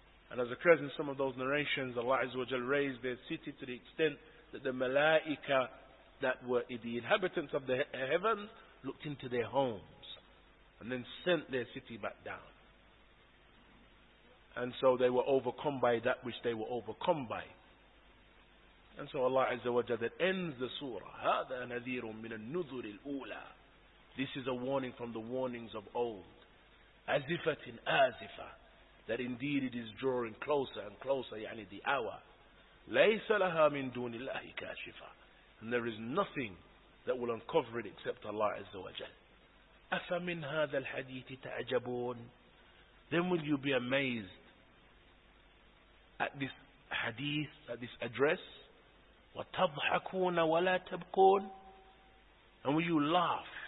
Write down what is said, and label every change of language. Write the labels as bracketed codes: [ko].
[en] And as occurs in some of those narrations, Allah Azza wa Jal raised their city to the extent that the malaika that were the inhabitants of the heavens looked into their homes and then sent their city back down. And so they were overcome by that which they were overcome by. And so Allah Azza wa Jalla ends the surah. [ar] هذا نذير من النذر الأولى. [en] This is a warning from the warnings of old. [ar] أزفة آزفة. [en] That indeed it is drawing closer and closer, يعني the hour. [ar] ليس لها من دون الله كاشفة. [en] And there is nothing that will uncover it except Allah Azza wa Jalla. [ar] أفمن هذا الحديث تعجبون. [en] Then will you be amazed at this hadith, at this address? [ar] وَتَضْحَكُونَ وَلَا تَبْكُونَ. [en] And will you laugh?